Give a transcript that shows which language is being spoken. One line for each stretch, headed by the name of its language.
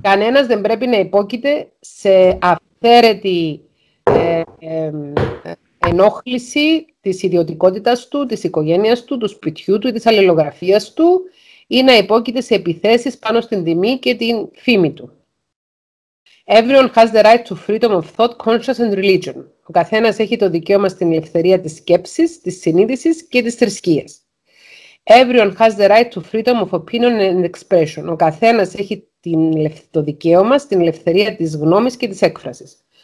Greek: Κανένας δεν πρέπει να υπόκειται σε αυθαίρετη ενόχληση της ιδιωτικότητας του, της οικογένειας του, του σπιτιού του ή της αλληλογραφίας του ή να υπόκειται σε επιθέσεις πάνω στην τιμή και την φήμη του.
English: Everyone has the right to freedom of thought, conscience and religion.
Greek: Ο καθένας έχει το δικαίωμα στην ελευθερία της σκέψης, της συνείδησης και της θρησκείας.
English: Everyone has the right to freedom of opinion and expression.
Greek: Ο καθένας έχει το δικαίωμα στην ελευθερία της γνώμης και της έκφρασης.